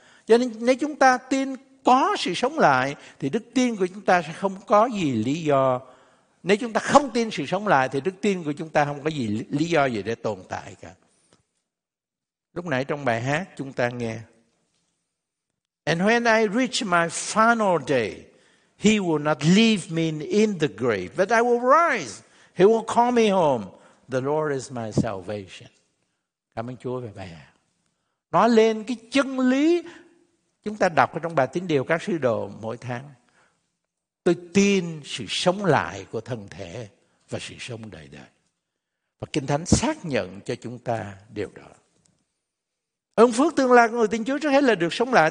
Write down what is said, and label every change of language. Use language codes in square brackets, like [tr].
[vi] Cho nên nếu chúng ta tin có sự sống lại, thì đức tin của chúng ta sẽ không có gì lý do. Nếu chúng ta không tin sự sống lại, thì đức tin của chúng ta không có gì lý do gì để tồn tại cả. Lúc nãy trong bài hát chúng ta nghe. [en] And when I reach my final day, he will not leave me in the grave, but I will rise, he will call me home. The Lord is my salvation. [vi] Cảm ơn Chúa về bài hát. Nói lên cái chân lý chúng ta đọc ở trong bài tín điều các sứ đồ mỗi tháng. Tôi tin sự sống lại của thân thể và sự sống đời đời. Và Kinh Thánh xác nhận cho chúng ta điều đó. Ơn phước tương lai của người tin Chúa trước hết là được sống lại.